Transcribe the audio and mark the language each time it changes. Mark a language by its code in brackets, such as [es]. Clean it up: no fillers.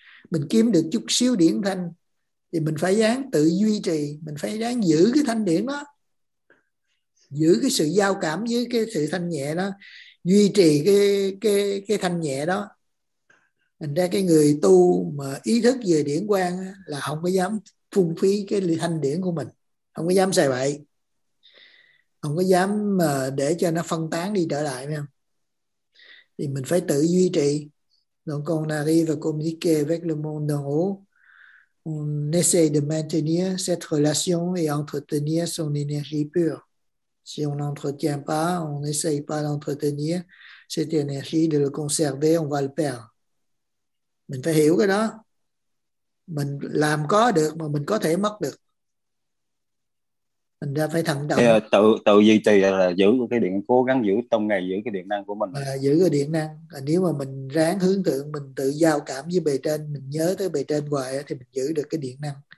[vi] Mình kiếm được chút xíu điển thanh thì mình phải dán tự duy trì, mình phải dán giữ cái thanh điển đó, giữ cái sự giao cảm với cái sự thanh nhẹ đó, duy trì cái thanh nhẹ đó. Thành ra cái người tu mà ý thức về điển quang là không có dám phung phí cái thanh điển của mình, không có dám xài bậy, không có dám mà để cho nó phân tán đi trở lại nha. Thì mình phải tự duy trì. [fr] Donc on arrive à communiquer avec le monde en haut. On essaie de maintenir cette relation et entretenir son énergie pure. Si on n'entretient pas, on n'essaye pas d'entretenir cette énergie, de le conserver, on va le perdre. [vi] Mình phải hiểu cái đó. Mình làm có được mà mình có thể mất được. Mình ra phải thận trọng. Tự duy trì là giữ cái điện, cố gắng giữ trong ngày, giữ cái điện năng của mình. Giữ cái điện năng. Nếu mà mình ráng hướng thượng, mình tự giao cảm với bề trên, mình nhớ tới bề trên hoài thì mình giữ được cái điện năng.